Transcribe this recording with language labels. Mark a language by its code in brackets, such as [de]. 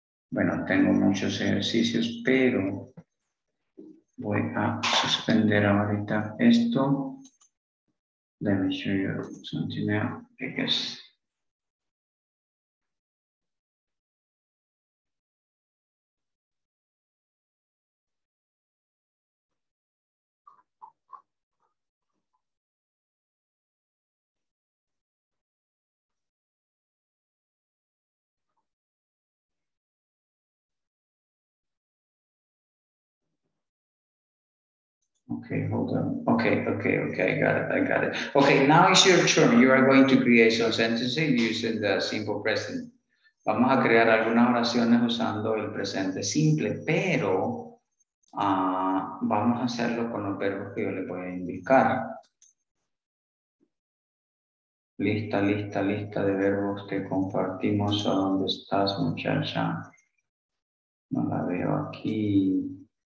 [es] Bueno, tengo muchos ejercicios, pero voy a suspender ahorita esto. [en] Let me show you something else, I guess. Okay, hold on. Okay, I got it. Okay, now it's your turn. You are going to create some sentences using the simple present. [es] Vamos a crear algunas oraciones usando el presente simple, pero vamos a hacerlo con los verbos que yo le voy a indicar. Lista de verbos que compartimos. ¿O dónde estás, muchacha? No la veo aquí.